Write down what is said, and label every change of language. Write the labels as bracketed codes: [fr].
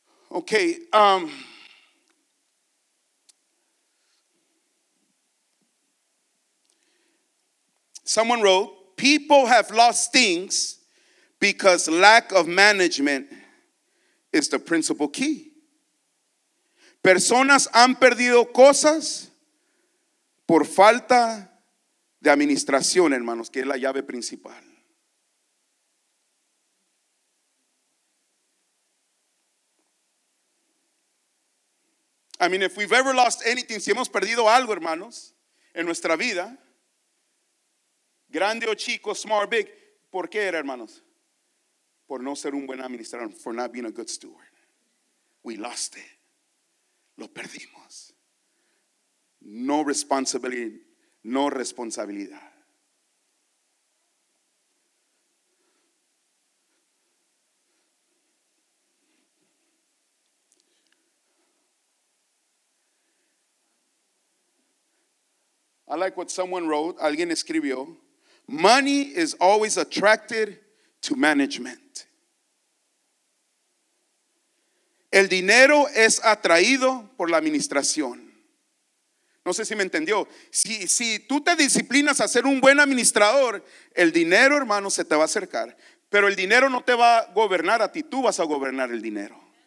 [en] Okay, someone wrote, people have lost things because lack of management is the principal key. [es] Personas han perdido cosas por falta de administración, hermanos, que es la llave principal. [en] I mean, if we've ever lost anything, [es] si hemos perdido algo, hermanos, en nuestra vida, grande o chico, [en] small or big. [es] ¿Por qué era, hermanos? Por no ser un buen administrador. [en] For not being a good steward. We lost it. [es] Lo perdimos. [en] No responsibility. [es] No responsabilidad. [en] I like what someone wrote. [es] Alguien escribió. [en] Money is always attracted to management. [es] El dinero es atraído por la administración. No sé si me entendió. Si tú te disciplinas a ser un buen administrador, el dinero, hermano, se te va a acercar. Pero el dinero no te va a gobernar a ti, tú vas a gobernar el dinero.